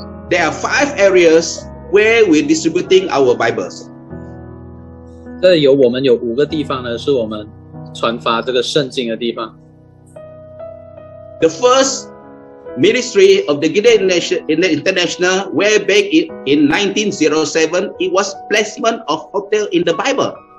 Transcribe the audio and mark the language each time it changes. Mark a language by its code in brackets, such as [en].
[en] There are five areas where we're distributing our Bibles. [zh] 这有我们有五个地方呢，是我们传发这个圣经的地方。 [en] The first ministry of the Gideon International, way back in 1907, it was placement of hotel in the Bible.